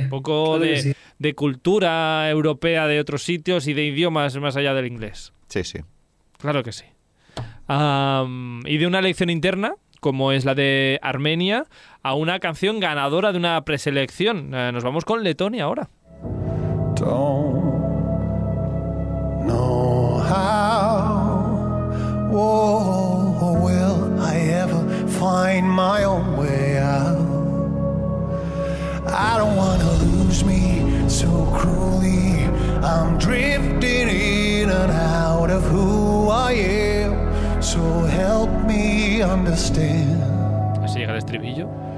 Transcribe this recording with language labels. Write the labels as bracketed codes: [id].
[es] Un poco de cultura europea de otros sitios y de idiomas más allá del inglés. Sí, sí. Claro que sí. Y de una elección interna, como es la de Armenia, a una canción ganadora de una preselección. Nos vamos con Letonia ahora. [en] Don't know how or will I ever find my own way out. I don't wanna lose me so cruelly. I'm drifting in and out of who I am. So help me understand. Así llega el estribillo.